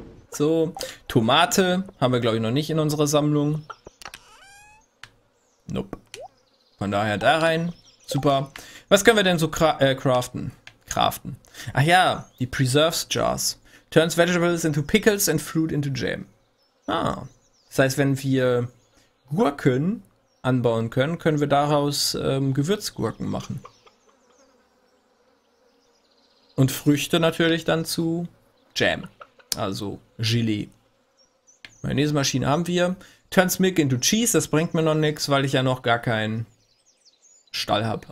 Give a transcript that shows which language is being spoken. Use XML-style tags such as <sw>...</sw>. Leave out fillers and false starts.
<de>So, Tomate haben wir, glaube ich, noch nicht in unserer Sammlung. Nope. Von daher da rein. Super. Was können wir denn so craften? Craften. Ach ja, die Preserves Jars.</de> <en>Turns vegetables into pickles and fruit into jam. Ah.</en> <de>Das heißt, wenn wir Gurken anbauen können, können wir daraus Gewürzgurken machen. Und Früchte natürlich dann zu Jam. Also Gelee. Mayonnaise-Maschine haben wir.</de> <en>Turns milk into cheese.</en> <de>Das bringt mir noch nichts, weil ich ja noch gar keinen Stall habe.</de>